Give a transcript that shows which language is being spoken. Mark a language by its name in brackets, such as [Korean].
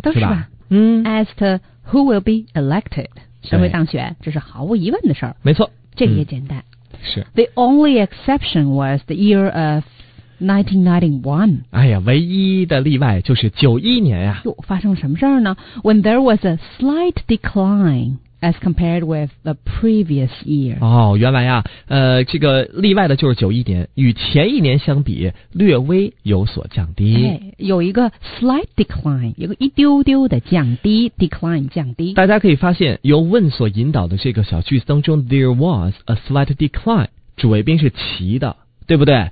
[Chinese] 都是吧？ [English] As to who will be elected， [Chinese] 谁会当选，这是毫无疑问的事儿。没错，这个也简单。是 [English] The only exception was the year of 1991. [Chinese] 哎呀，唯一的例外就是91年呀。又发生什么事儿呢？ [English] When there was a slight decline as compared with the previous year. [Chinese] 哦，原来呀，这个例外的就是91年，与前一年相比略微有所降低。哎，有一个 slight decline， 有个一丢丢的降低， decline 降低。大家可以发现，由 when 所引导的这个小句子当中， [English] there was a slight decline， [Chinese] 主谓宾是其的，对不对？